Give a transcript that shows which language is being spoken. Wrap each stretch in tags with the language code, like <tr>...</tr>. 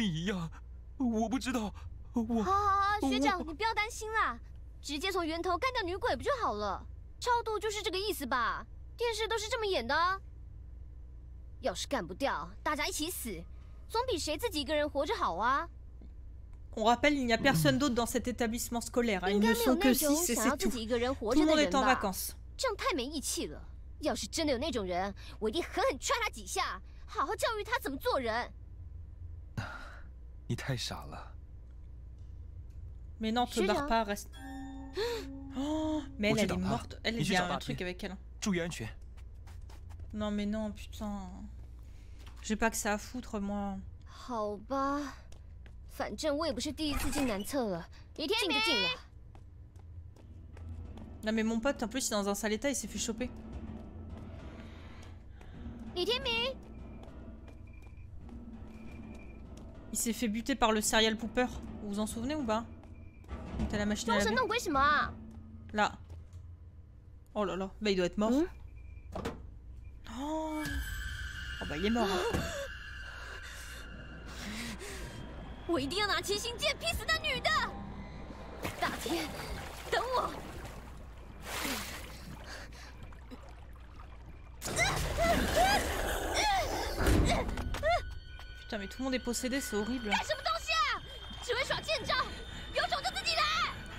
<zh>抱歉，我说了些奇怪的话，我觉得我快被逼疯了，我怕我会变成神经病一样，我不知道。我好，学长，你不要担心啦。 直接从源头干掉女鬼不就好了？超度就是这个意思吧？电视都是这么演的。要是干不掉，大家一起死，总比谁自己一个人活着好啊。</zh> <fr>On rappelle, il n'y a personne d'autre dans cet établissement scolaire. Ils ne sont que 6 et c'est tout. Tout le monde est en vacances.</fr> <zh>这样太没义气了。要是真的有那种人，我一定狠狠踹他几下，好好教育他怎么做人。你太傻了。</zh> <fr>Mais non, tu ne pars pas, reste. Mais elle est morte. Elle est bien, un truc avec elle. Non, mais non, putain. J'ai pas que ça à foutre, moi. Ok.</fr> <zh>反正我也不是第一次进男厕了，你进就进了。那没</zh> <fr>mon pote, en plus, il est dans un sale état, il s'est fait choper.</fr> <zh>李天明。</zh> <fr>Il s'est fait buter par le serial pooper. Vous vous en souvenez ou pas ? T'as la machine à laver.</fr> <zh>装神弄鬼什么？</zh> <fr>Là. Oh là là, bah il doit être mort. Oh bah il est mort.</fr> <zh>我一定要拿七星剑劈死那女的！大天，等我！</zh> <fr>Putain, mais tout le monde est possédé, c'est horrible.</fr> <zh>干什么东西啊？只会耍剑招，有种就自己来！</zh>